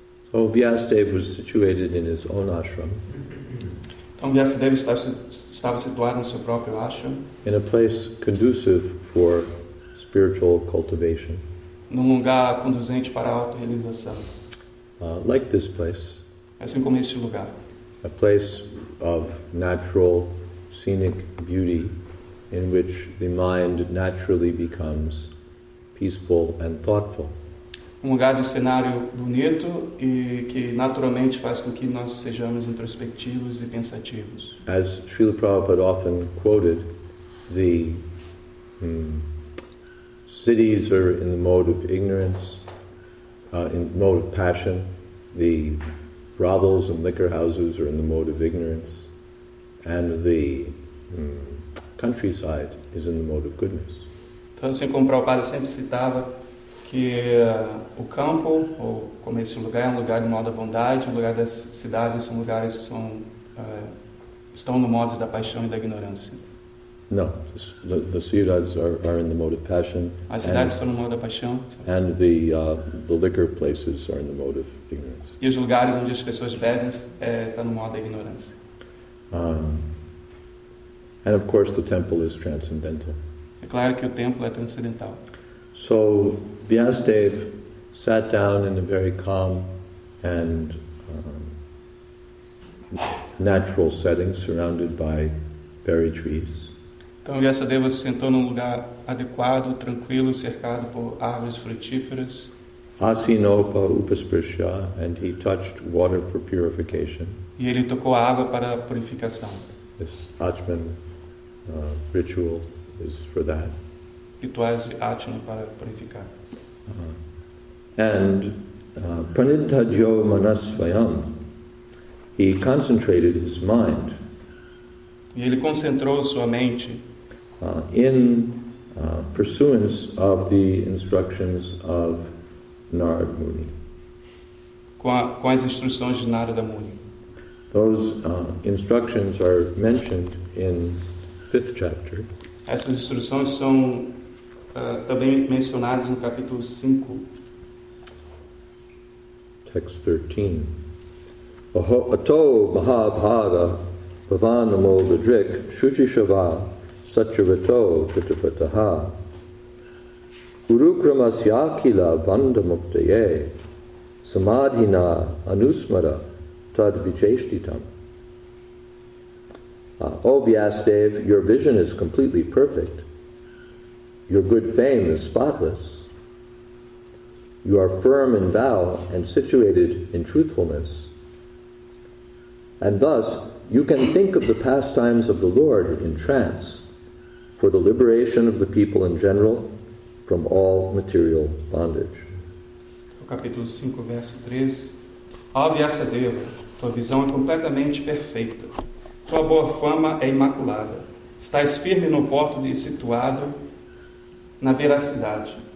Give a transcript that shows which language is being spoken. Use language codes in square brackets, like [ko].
[en] So Vyasadeva was situated in his own ashram. [pt] Então, Vyasadeva estava situado no seu próprio ashram. [en] In a place conducive for spiritual cultivation. [pt] Num lugar conduzente para a auto-realização. [en] like this place. [pt] Assim como este lugar. [en] A place of natural, scenic beauty in which the mind naturally becomes peaceful and thoughtful. [pt] Um lugar de cenário bonito e que naturalmente faz com que nós sejamos introspectivos e pensativos. [en] As Srila Prabhupada often quoted, the cities are in the mode of ignorance, in the mode of passion. The brothels and liquor houses are in the mode of ignorance, and the countryside is in the mode of goodness. [pt] Então, assim como o Prabhupada sempre citava, que o campo, ou como esse lugar, é um lugar de modo da bondade, um lugar das cidades são lugares que são, estão no modo da paixão e da ignorância. [en] No, the cidades are in the mode of passion. [pt] As cidades estão no modo da paixão. [en] And the liquor places are in the mode of ignorance. [pt] E os lugares onde as pessoas bebem estão no modo da ignorância. [en] And of course the temple is transcendental. [pt] É claro que o templo é transcendental. [en] So Vyasadeva sat down in a very calm and natural setting, surrounded by berry trees. [pt] Então Vyasadeva se sentou num lugar adequado, tranquilo, cercado por árvores frutíferas. [sa] Asinopa upasprisha, [en] and he touched water for purification. [pt] E ele tocou a água para a purificação. [en] This Ajman ritual is for that. [pt] Rituais de Ajman para purificar. [en] And [sa] pranitadyo manasvayam, [en] he concentrated his mind. [pt] E ele concentrou sua mente. [en] In pursuance of the instructions of Narad Muni. [pt] Com as instruções de Narada Muni. [en] Those instructions are mentioned in fifth chapter. [pt] Essas instruções são também mencionadas no capítulo 5. [sa] Text 13. Ato Mahabhaga Bhavanamo Vidrik Shuchi Shava Satyavato Chitapataha Gurukramasyakila Vandamuktaye Samadhina Anusmara Tad Vicheshtitam. [en] O Vyasadeva, your vision is completely perfect. Your good fame is spotless. You are firm in vow and situated in truthfulness. And thus, you can think of the pastimes of the Lord in trance, for the liberation of the people in general from all material bondage. [pt] O capítulo 5, verso 13. Ó Vyasadeva, tua visão é completamente perfeita. Tua boa fama é imaculada. Estás firme no voto e situado na veracidade.